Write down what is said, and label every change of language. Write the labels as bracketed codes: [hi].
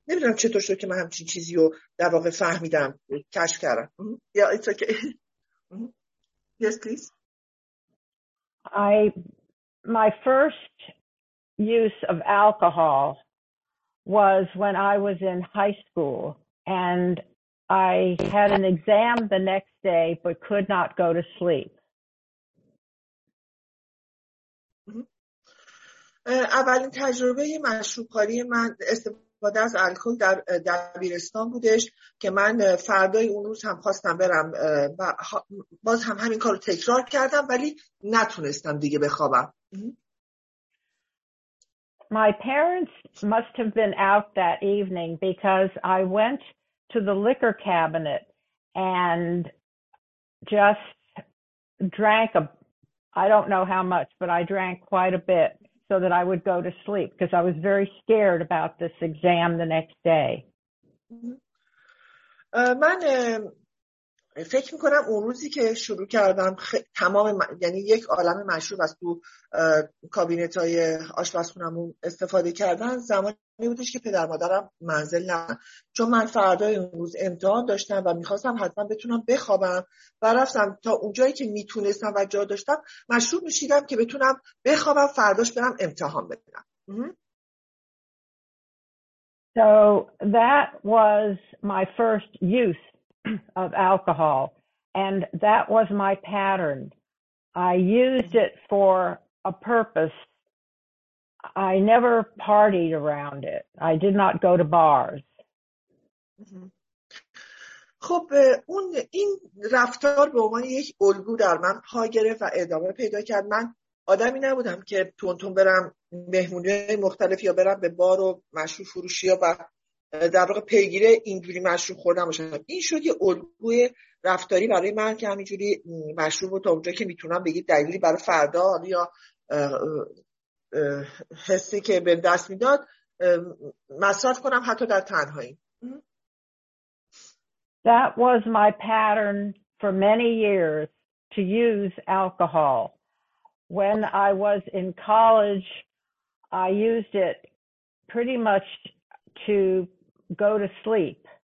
[fa] نمیدونم چطور شد که من همچین چیزی رو در واقع فهمیدم، کشف کردم. [en] Yeah, it's okay. Yes, please. My first use of alcohol was when I was in high school, and I had an exam the next day but could not go to sleep. [fa] اولین تجربه مشروب‌کاری من استفاده از الکل در دبیرستان بودش که من فردای اون روز هم خواستم برم و باز هم همین کارو تکرار کردم ولی نتونستم دیگه بخوابم. [en] My parents must have been out that evening because I went to the liquor cabinet and just drank I don't know how much, but I drank quite a bit so that I would go to sleep because I was very scared about this exam the next day. [fa] من فکر می‌کنم اون روزی که شروع کردم تمام یعنی یک عالم مشروب از تو کابینت‌های آشپزخونه‌مون استفاده کردن زمانی بودش که پدر مادرم منزل نه چون من فردای اون روز امتحان داشتم و می‌خواستم حتما بتونم بخوابم و رفتم تا اونجایی که میتونستم و جا داشتم مشروب نوشیدم که بتونم بخوابم فرداش برم امتحان بدم. [en] So that was my first use of alcohol, and that was my pattern. I used it for a purpose. I never partied around it. I did not go to bars. [fa] خب اون این رفتار به عنوان یک الگو در من پا گرفت و ادامه پیدا کرد. من آدمی نبودم که تونتون برم مهمونی مختلف یا برم به بار و مشروب فروشی و در واقع پیگیره اینجوری مشروب خوردم باشم. این شد یه الگوی رفتاری برای من که همینجوری مشروب رو تا اونجا که میتونم بگید دلیلی برای فردا یا حسی که به دست میداد مصرف کنم حتی در تنهایی. [en] That was my pattern for many years to use alcohol. When I was in college, I used it pretty much to go to sleep.